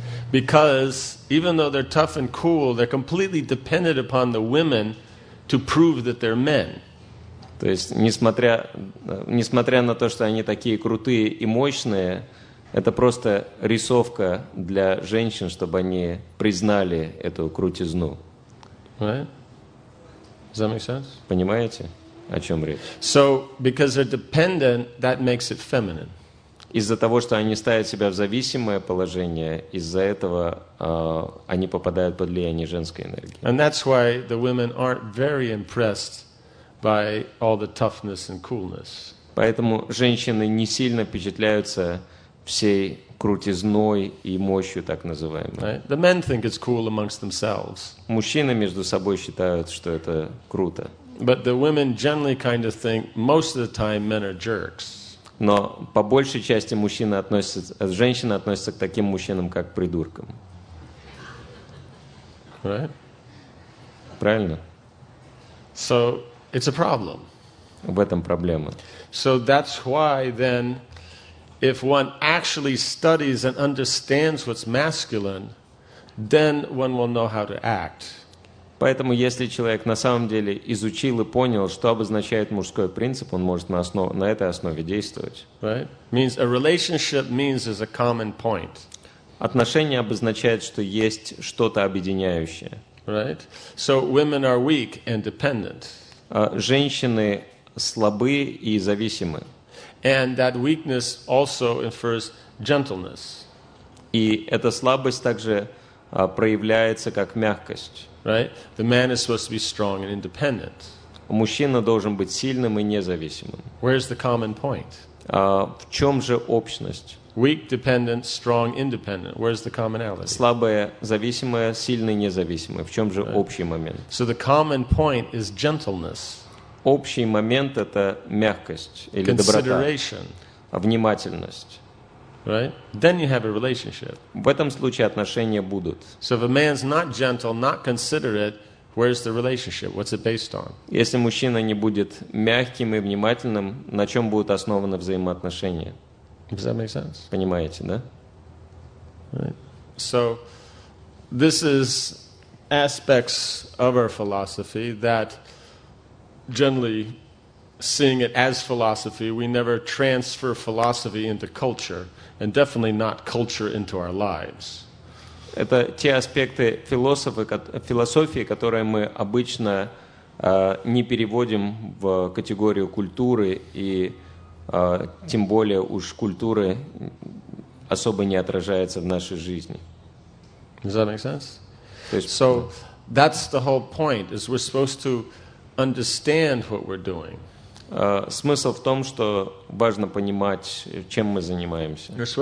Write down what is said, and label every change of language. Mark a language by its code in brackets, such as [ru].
[en] Because even though they're tough and cool, they're completely dependent upon the women to prove that they're men. [ru] То есть, несмотря на то, что они такие крутые и мощные, это просто рисовка для женщин, чтобы они признали эту крутизну. [en] Right? Does that make sense? [ru] Понимаете, о чем речь? [en] So, because they're dependent, that makes it feminine. [ru] Из-за того, что они ставят себя в зависимое положение, из-за этого они попадают под влияние женской энергии. [en] And that's why the women aren't very impressed by all the toughness and coolness. [ru] Поэтому женщины не сильно впечатляются всей крутизной и мощью так называемой. [en] Right? The men think it's cool amongst themselves. [ru] Мужчины между собой считают, что это круто. [en] But the women generally kind of think most of the time men are jerks. [ru] Но по большей части женщины относятся к таким мужчинам, как придуркам. [en] Right? [ru] Правильно? [en] So it's a problem. [ru] В этом проблема. [en] So that's why then if one actually studies and understands what's masculine, then one will know how to act. [ru] Поэтому, если человек на самом деле изучил и понял, что обозначает мужской принцип, он может на этой основе действовать. [en] Right? Means a relationship means there's a common point. [ru] Отношения обозначают, что есть что-то объединяющее. [en] Right? So women are weak and dependent. [ru] Женщины слабы и зависимы. [en] And that weakness also infers gentleness. [ru] И эта слабость также проявляется как мягкость. [en] Right? The man is supposed to be strong and independent. [ru] Мужчина должен быть сильным и независимым. [en] Where's the common point? [ru] В чем же общность? [en] Weak, dependent, strong, independent. Where's the commonality? [ru] Слабое, зависимое, сильное, независимое. В чем же общий момент? [en] So the common point is gentleness. [ru] Общий момент — это мягкость или доброта. [en] Consideration. [ru] Внимательность. [en] Right? Then you have a relationship. [ru] В этом случае отношения будут. [en] So if a man's not gentle, not considerate, where's the relationship? What's it based on? [ru] Если мужчина не будет мягким и внимательным, на чем будут основаны взаимоотношения? [en] Does that make sense? [ru] Понимаете, да? [en] Right. So this is aspects of our philosophy that generally seeing it as philosophy, we never transfer philosophy into culture. And definitely not culture into our lives. [ru] Это те аспекты философии, которые мы обычно не переводим в категорию культуры и тем более уж культуры особо не отражается в нашей жизни. [en] Does that make sense? So that's the whole point, is we're supposed to understand what we're doing. [ru] Смысл в том, что важно понимать, чем мы занимаемся.